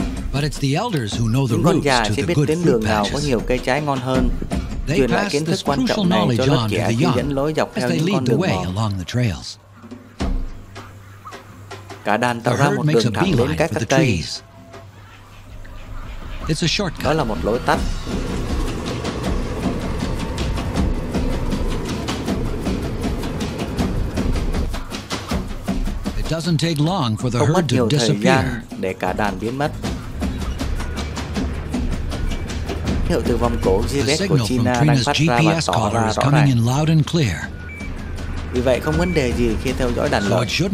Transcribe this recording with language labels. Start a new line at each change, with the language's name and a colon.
English: But it's the elders who know the roots to the good fruit
Vietnamese: đường nào có nhiều cây trái ngon hơn. Truyền lại kiến thức quan trọng này cho lớp trẻ khi dẫn lối dọc theo những con đường mòn. Cả đàn tạo ra một đường thẳng đến các cây.
English: It's a shortcut.
Vietnamese: Đó là một lối tắt.
English: It doesn't take long for the herd to disappear.
Vietnamese: Để cả đàn biến mất. Hiệu từ vòng cổ GPS của China đang phát ra và tỏ ra rõ ràng. Vì vậy không vấn đề gì khi theo dõi đàn lợn.